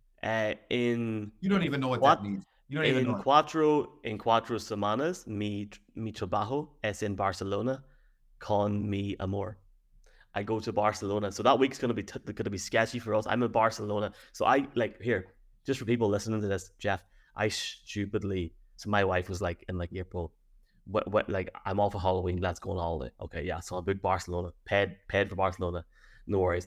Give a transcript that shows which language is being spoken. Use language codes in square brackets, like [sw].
[en] You don't even know what that means. You don't in even know. In [es] cuatro semanas, mi trabajo es en Barcelona con mi amor. [en] I go to Barcelona. So that week's going to be sketchy for us. I'm in Barcelona. So I, like, here, just for people listening to this, Jeff, so my wife was like, in like April, what, like, I'm off for Halloween, let's go on holiday. Okay, yeah, so I booked Barcelona, paid for Barcelona, no worries.